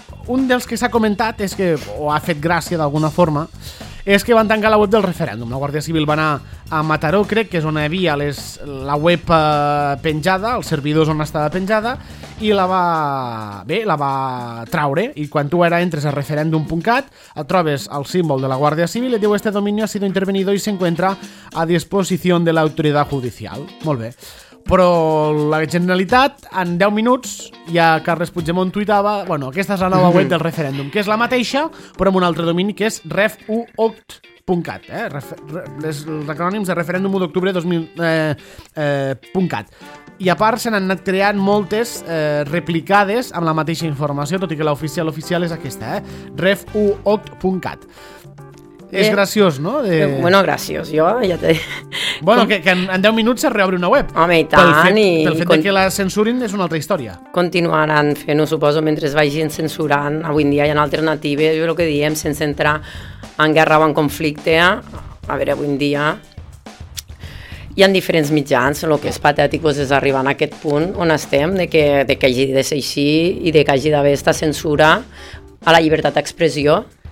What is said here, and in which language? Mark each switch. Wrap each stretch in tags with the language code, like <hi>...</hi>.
<ca>Un dels que s'ha comentat és que, o ha fet gràcia d'alguna forma, és que van tancar la web del referèndum. La Guàrdia Civil va anar a Mataró, crec, que és on hi havia la web penjada, els servidors on estava penjada, i la va traure. I quan tu ara entres a referèndum.cat, et trobes el símbol de la Guàrdia Civil i diu</ca> <es>este dominio ha sido intervenido y se encuentra a disposición de la autoridad judicial.</es> <ca>Molt bé. Però la Generalitat, en 10 minuts, ja Carles Puigdemont tuitava, bueno, aquesta és la nova web del referèndum, que és la mateixa, però amb un altre domini, que és ref1oct.cat, els acrònims de referèndum 1 d'octubre 2000.cat. I a part s'han anat creant moltes replicades amb la mateixa informació, tot i que l'oficial és aquesta, ref1oct.cat. És graciós, no? Bueno, graciós, jo ja t'he... Bueno, que en 10 minuts es reobre una web. Home, i tant. Pel fet que la censurin és una altra història. Continuaran fent-ho, suposo, mentre es vagin censurant. Avui en dia hi ha alternatives, jo el que diem, sense entrar en guerra o en conflicte. A veure, avui en dia hi ha diferents mitjans. El que és patètic doncs, és arribar a aquest punt on estem, de que hagi de ser així i de que hagi d'haver esta censura a la llibertat d'expressió.</ca>